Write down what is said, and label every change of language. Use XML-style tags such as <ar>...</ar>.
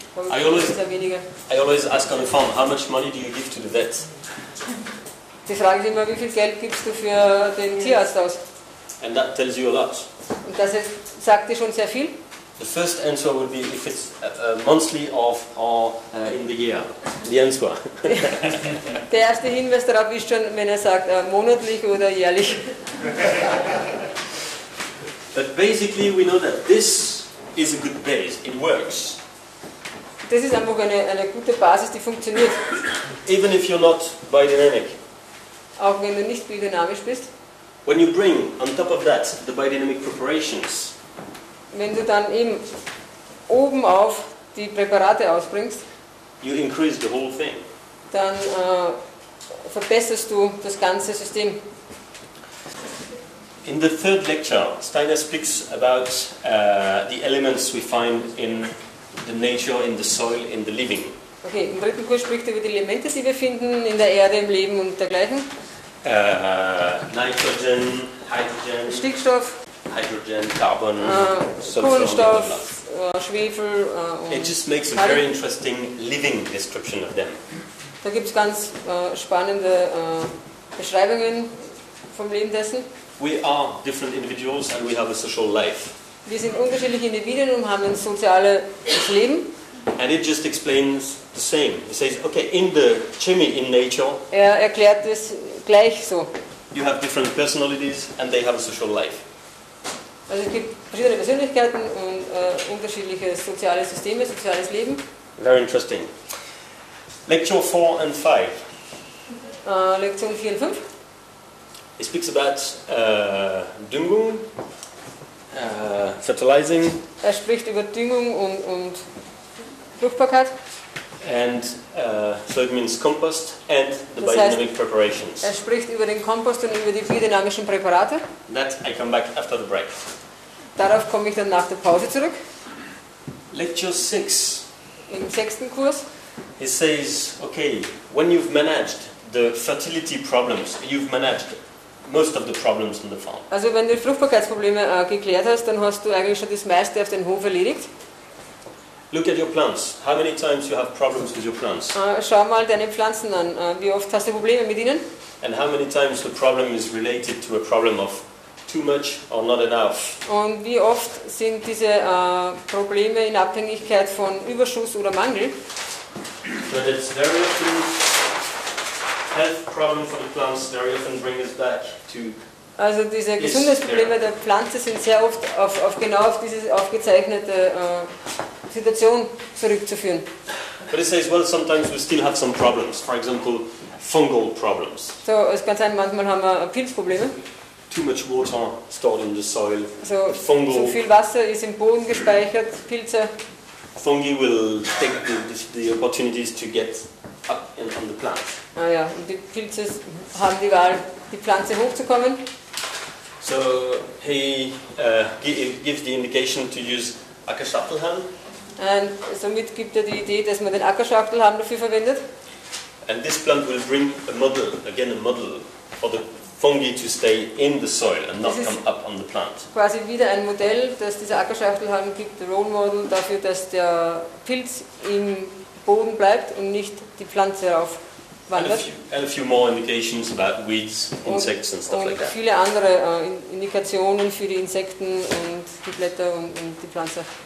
<en>I always ask on the farm, how much money do you give to the vet?</en> <de>Die fragen immer, wie viel Geld gibst du für den Tierarzt aus?</de> <en>And that tells you a lot.</en> <de>Und das sagt dir schon sehr viel.</de> <en>The first answer would be if it's monthly or in the year. The answer.</en> <de>Der erste Hinweis darauf ist schon, wenn sagt monatlich oder jährlich.</de> <en>But basically, we know that this is a good base. It works.</en> <de>Das ist einfach eine gute Basis, die funktioniert.</de> <en>Even if you're not biodynamic.</en> <de>Auch wenn du nicht biodynamisch bist.</de> <en>When you bring on top of that the biodynamic preparations.</en> <de>Wenn du dann eben oben auf die Präparate ausbringst,</de> <en>you increase the whole thing.</en> <de>Dann verbesserst du das ganze System.</de> <en>In the third lecture, Steiner speaks about the elements we find in the nature, in the soil, in the living.</en> <de>Okay, im dritten Kurs spricht er über die Elemente, die wir finden in der Erde, im Leben und dergleichen.</de> <en>Nitrogen, Hydrogen,</en> <de>Stickstoff,</de> <en>Hydrogen, Carbon,</en> <de>Kohlenstoff, Schwefel.</de> <en>It just makes a very interesting living description of them.</en> <de>Da gibt es ganz spannende Beschreibungen vom Leben dessen.</de> <en>We are different individuals and we have a social life.</en> <de>Wir sind unterschiedliche Individuen und haben ein soziales Leben.</de> <en>And it just explains the same. It says, okay, in the chimney, in nature,</en> <de>er erklärt es gleich so.</de> <en>You have different personalities and they have a social life.</en> <de>Also es gibt verschiedene Persönlichkeiten und unterschiedliche soziale Systeme, soziales Leben.</de> <en>Very interesting. Lecture 4 and 5.</en> <de>Lektion 4 und 5.</de> <en>It speaks about Düngung, fertilizing.</en> <de>Er spricht über Düngung und Fruchtbarkeit.</de> <en>And so it means compost and the biodynamic preparations.</en> <de>Er spricht über den Kompost und über die biodynamischen Präparate.</de> <en>That I come back after the break.</en> <de>Darauf komme ich dann nach der Pause zurück.</de> <en>Lecture 6.</en> <de>Im sechsten Kurs.</de> <en>He says, okay, when you've managed the fertility problems, you've managed most of the problems in the farm.</en> <de>Also wenn du Fruchtbarkeitsprobleme geklärt hast, dann hast du eigentlich schon das meiste auf den Hof erledigt.</de> <en>Look at your plants. How many times you have problems with your plants?</en> <de>Schau mal deine Pflanzen an. Wie oft hast du Probleme mit ihnen?</de> <en>And how many times the problem is related to a problem of too much or not enough?</en> <de>Und wie oft sind diese Probleme in Abhängigkeit von Überschuss oder Mangel?</de> <en>But it's very often health problem for the plants very often bring us back to.</en> <de>Also diese Gesundheitsprobleme der Pflanze sind sehr oft auf genau auf diese aufgezeichnete Situation zurückzuführen.</de> <en>But it says, well, sometimes we still have some problems. For example, fungal problems.</en> <de>So, es kann sein, manchmal haben wir Pilzprobleme.</de> <en>Too much water stored in the soil. So, fungal.</en> <de>So viel Wasser ist im Boden gespeichert, Pilze.</de> <en>Fungi will take the opportunities to get up on the plant.</en> <de>Ah ja, und die Pilze haben die Wahl, die Pflanze hochzukommen.</de> <en>So, he gives the indication to use Ackerschachtelhalm.</en> <de>Und somit gibt er die Idee, dass man den Ackerschachtelhalm dafür verwendet.</de> <en>And this plant will bring a model, again a model, for the fungi to stay in the soil and not come up on the plant.</en> <de>Quasi wieder ein Modell, dass dieser Ackerschachtelhalm gibt,</de> <en>the role model</en> <de>dafür, dass der Pilz im Boden bleibt und nicht die Pflanze rauf wandert.</de> <en>And a few more indications about weeds, insects and stuff</en> <de>und</de> <en>like that.</en> <de>Und viele andere Indikationen für die Insekten und die Blätter und die Pflanze.</de>